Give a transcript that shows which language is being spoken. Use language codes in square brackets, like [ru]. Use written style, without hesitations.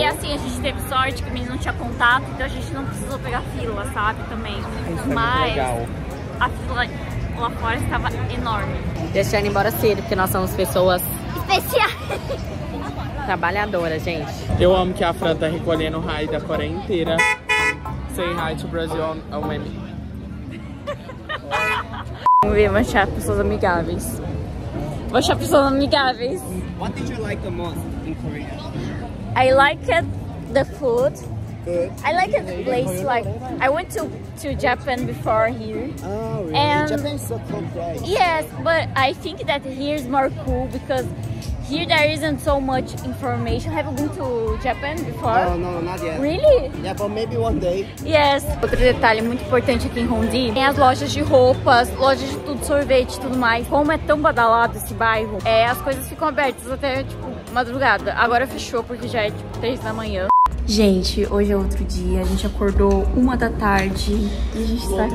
[pt] E assim, a gente teve sorte que o menino não tinha contato, então a gente não precisou pegar fila, sabe? Também. Isso, mas é legal. A fila lá fora estava enorme. Deixando embora cedo, porque nós somos pessoas especiais. Trabalhadora, gente. Eu amo que a Fran tá recolhendo o raio da Coreia inteira. [en] Say hi to Brazil on Wendy. [pt] Vamos ver, vamos achar pessoas amigáveis. Vamos achar pessoas amigáveis. [en] What did you like the most in Korea? I liked the food. Good. I liked the place. Like, I went to Japan before here. Oh, really? And Japan is so complex. Yes, but I think that here is more cool because here there isn't so much information. Have you been to Japan before? No, not yet. Really? Yeah, but maybe one day. Yes. [pt] Outro detalhe muito importante aqui em Hongdae tem as lojas de roupas, lojas de tudo, sorvete e tudo mais. Como é tão badalado esse bairro, as coisas ficam abertas até, tipo, madrugada. Agora fechou porque já é, tipo, 3 da manhã. Gente, hoje é outro dia. A gente acordou 1 da tarde e a gente tá aqui.